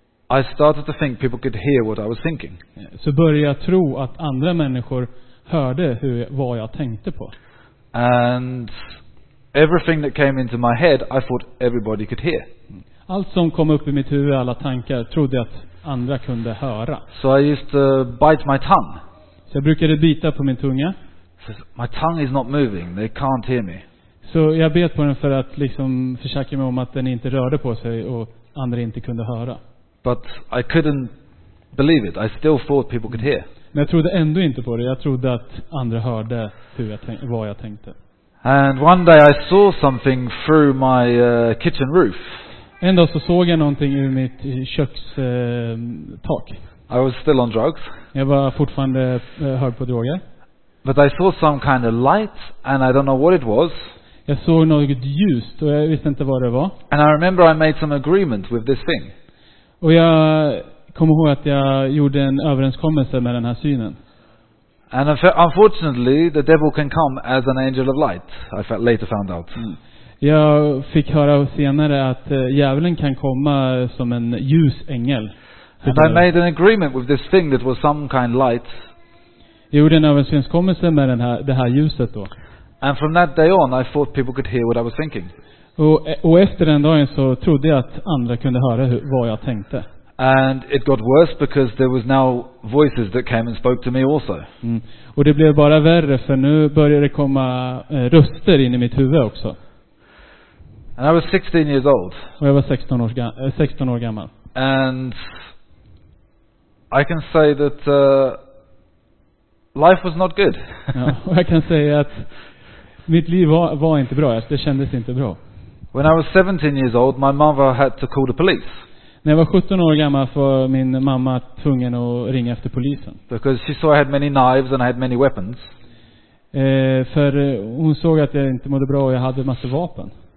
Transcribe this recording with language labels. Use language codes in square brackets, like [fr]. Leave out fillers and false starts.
[en] I started to think people could hear what I was thinking. [sv] Så började jag tro att andra människor hörde hur vad jag tänkte på. [en] And everything that came into my head, I thought everybody could hear. [sv] Allt som kom upp i mitt huvud, alla tankar, trodde jag att andra kunde höra. [en] So I used to bite my tongue. [sv] Så jag brukade bita på min tunga. [en] My tongue is not moving. They can't hear me. [sv] Så jag bet på den för att liksom försäkra mig om att den inte rörde på sig och andra inte kunde höra. [en] But I couldn't believe it. I still thought people could hear. [sv] Men jag trodde ändå inte på det. Jag trodde att andra hörde hur jag vad jag tänkte. [en] And one day I saw something through my kitchen roof. [sv] En dag så såg jag någonting ur mitt köks tak. [en] I was still on drugs. [sv] Jag var fortfarande hög på droger. [en] But I saw some kind of light and I don't know what it was. [sv] Jag såg något ljus och jag visste inte vad det var. [en] And I remember I made some agreement with this thing. [sv] Och jag kommer ihåg att jag gjorde en överenskommelse med den här synen. [en] And unfortunately, the devil can come as an angel of light. I later found out. [sv] Jag fick höra senare att djävulen kan komma som en ljus ängel. [en] And I made an agreement with this thing that was some kind of light. [sv] Jag gjorde en överenskommelse med det här ljuset då. [en] And from that day on, I thought people could hear what I was thinking. [sv] Och efter den dagen så trodde jag att andra kunde höra vad jag tänkte. [en] And it got worse because there was now voices that came and spoke to me also. [sv] Och det blev bara värre för nu började det komma röster in i mitt huvud också. [en] And I was 16 years old. [sv] Och jag var 16 år gammal. [en] And I can say that life was not good. [sv] Ja, och jag kan säga att mitt liv var inte bra. Det kändes inte bra. [en] When I was 17 years old, my mother had to call the police. [sv] När jag var 17 år gammal var min mamma tvungen att ringa efter polisen. [en] Because she saw I had many knives and I had many weapons. [sv] För hon såg att jag inte mådde bra och jag hade en massa vapen.